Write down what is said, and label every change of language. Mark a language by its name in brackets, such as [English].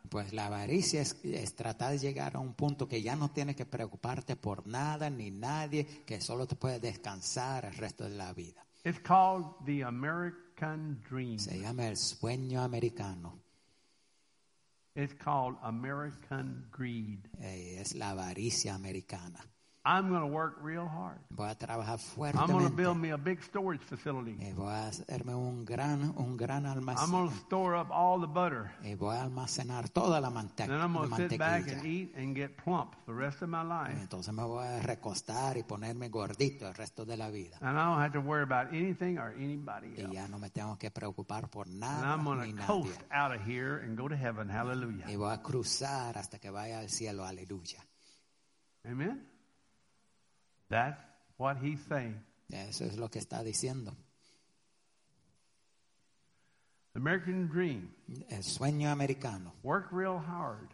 [Spanish] Pues la avaricia es tratar de llegar a un punto que ya no tienes que preocuparte por nada ni nadie, que solo te puedes descansar el resto de la vida. [English] It's called the American dream. [Spanish] Se llama el sueño americano. [English] It's called American greed. [Spanish] Es la avaricia americana. [English] I'm going to work real hard. [Spanish] Voy a trabajar fuertemente. [English] I'm going to build me a big storage facility. [Spanish] Y voy a hacerme un gran almacén. [English] I'm going to store up all the butter. [Spanish] Y voy a almacenar toda la mantequilla. [English] And I'm going to sit back and eat and get plump the rest of my life. [Spanish] Y entonces me voy a recostar y ponerme gordito el resto de la vida. [English] And I don't have to worry about anything or anybody else. [Spanish] Y ya no me tengo que preocupar por nada ni [English] And I'm going to coast out of here and go to heaven. Hallelujah. [Spanish] Y voy a cruzar hasta que vaya al cielo. Aleluya. [English] Amen. That's what he's saying. [Spanish] Eso es lo que está diciendo. [English] The American dream. [Spanish] El sueño americano. [English] Work real hard.